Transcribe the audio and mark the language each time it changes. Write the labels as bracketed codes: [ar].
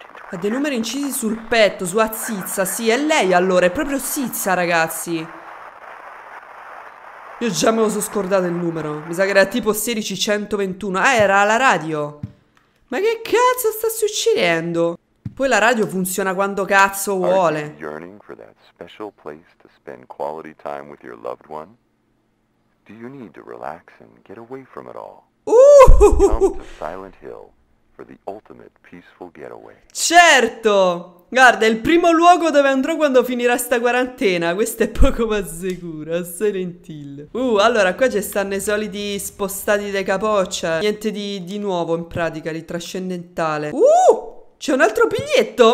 [it] Ha dei numeri incisi sul petto, su Azizza, sì, è lei allora, è proprio Azizza, ragazzi. Io già me lo so scordato il numero, mi sa che era tipo 16121, ah, era alla radio. Ma che cazzo sta succedendo? Poi la radio funziona quando cazzo vuole. [en] Are you yearning for that special place to spend quality time with your loved one? Do you need to relax and get away from it all? Come to Silent Hill for the ultimate peaceful getaway. [it] Certo! Guarda, è il primo luogo dove andrò quando finirà sta quarantena. Questo è poco ma sicuro, Silent Hill. Allora, qua ci stanno i soliti spostati dei capoccia. Niente di nuovo in pratica, di trascendentale. C'è un altro biglietto?